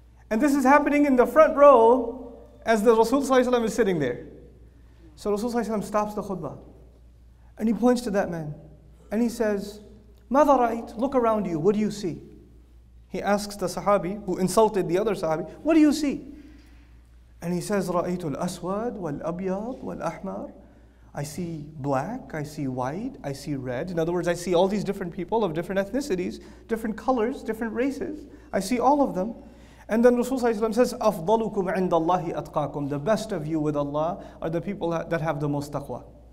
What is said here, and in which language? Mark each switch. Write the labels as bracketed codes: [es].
[en] And this is happening in the front row as the Rasulullah is sitting there. So Rasulullah stops the khutbah. And he points to that man. And he says, [ar] ماذا رأيت? [en] Look around you, what do you see? He asks the sahabi, who insulted the other sahabi, what do you see? And he says, [ar] رأيت الأسود والأبيض والأحمر. [en] I see black, I see white, I see red. In other words, I see all these different people of different ethnicities, different colors, different races. I see all of them. And then Rasulullah says, [ar] أفضلكم عند الله أتقاكم. [en] The best of you with Allah are the people that have the most taqwa.